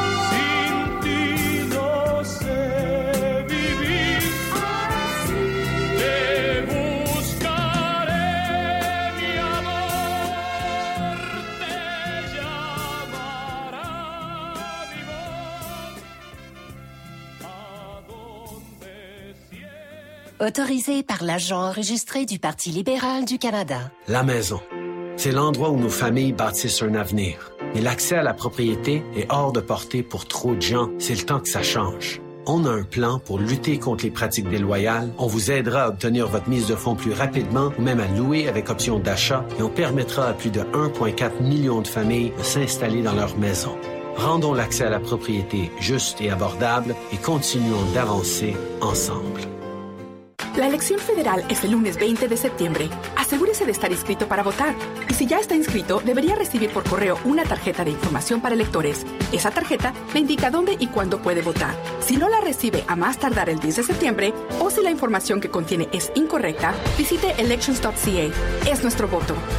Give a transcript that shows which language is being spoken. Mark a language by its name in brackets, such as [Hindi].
[Spanish] Sin ti no sé vivir, te buscaré, mi amor, te llamará mi voz, a donde siempre... [French] Autorisé par l'agent enregistré du Parti libéral du Canada. La maison. C'est l'endroit où nos familles bâtissent un avenir. Mais l'accès à la propriété est hors de portée pour trop de gens. C'est le temps que ça change. On a un plan pour lutter contre les pratiques déloyales. On vous aidera à obtenir votre mise de fonds plus rapidement ou même à louer avec option d'achat. Et on permettra à plus de 1,4 million de familles de s'installer dans leur maison. Rendons l'accès à la propriété juste et abordable et continuons d'avancer ensemble. [Spanish] La elección federal es el lunes 20 de septiembre. Asegúrese de estar inscrito para votar. Y si ya está inscrito, debería recibir por correo una tarjeta de información para electores. Esa tarjeta le indica dónde y cuándo puede votar. Si no la recibe a más tardar el 10 de septiembre, o si la información que contiene es incorrecta, visite elections.ca. Es nuestro voto.